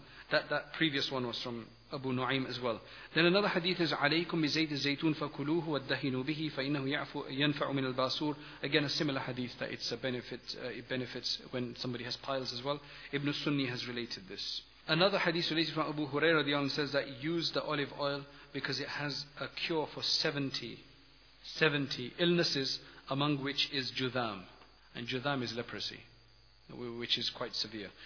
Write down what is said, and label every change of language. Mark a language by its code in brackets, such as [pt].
[en] That previous one was from Abu Nu'aym as well. Then another hadith is [ar] عليكم بزيت الزيتون فكلوه والدهنوا به فإنه يعفو ينفع من الباسور. [en] Again, a similar hadith that it's a benefit. It benefits when somebody has piles as well. Ibn Sunni has related this. Another hadith related from Abu Hurairah radiallahu anhu says that use the olive oil because it has a cure for 70 illnesses, among which is judham, and judham is leprosy, which is quite severe.